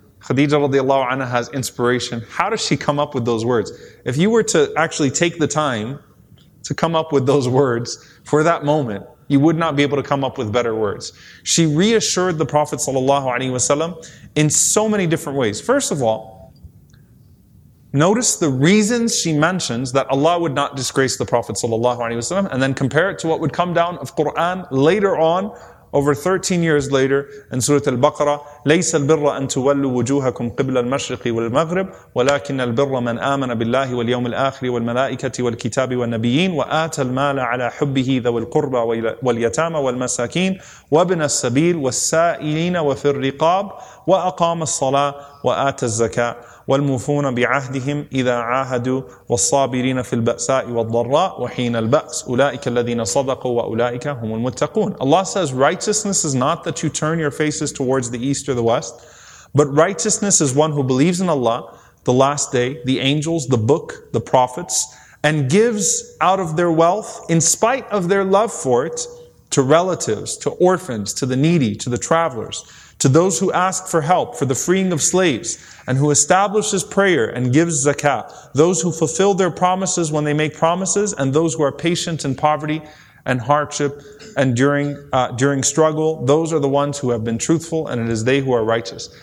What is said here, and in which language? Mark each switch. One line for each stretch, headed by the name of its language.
English: Khadija radiallahu anha has inspiration. How does she come up with those words? If you were to actually take the time to come up with those words for that moment, you would not be able to come up with better words. She reassured the Prophet ﷺ in so many different ways. First of all, notice the reasons she mentions that Allah would not disgrace the Prophet ﷺ, and then compare it to what would come down of Qur'an later on, over 13 years later, in Surah Al-Baqarah,
Arabic: لَيْسَ الْبِرَّ أَن تُوَلُّوا وُجُوهَكُمْ قِبْلَ الْمَشْرِقِ وَالْمَغْرِبِ وَلَكِنَّ الْبِرَّ مَنْ آمَنَ بِاللَّهِ وَالْيَوْمِ الْآخِرِ وَالْمَلَائِكَةِ وَالْكِتَابِ وَالنَّبِيِّينَ وَآتَى الْمَالَ عَلَى حُبِّهِ ذَوِي الْقُرْبَى وَالْيَتَامَى وَالْمَسَاكِينَ وَابْنَ السَّبِيلِ وَالسَّائِلِينَ وَفِي الرِّقَابِ وَأَقَامَ الصَّلَاةَ وَآتَى الزَّكَاةَ والموفون بعهدهم إذا عاهدوا والصابرين في البأساء والضراء وحين البأس أولئك الذين صدقوا وأولئك هم المتقون.
English: Allah says righteousness is not that you turn your faces towards the east or the west, but righteousness is one who believes in Allah, the last day, the angels, the book, the prophets, and gives out of their wealth in spite of their love for it to relatives, to orphans, to the needy, to the travelers, to those who ask for help, for the freeing of slaves, and who establishes prayer and gives zakah, those who fulfill their promises when they make promises, and those who are patient in poverty and hardship and during struggle, those are the ones who have been truthful, and it is they who are righteous.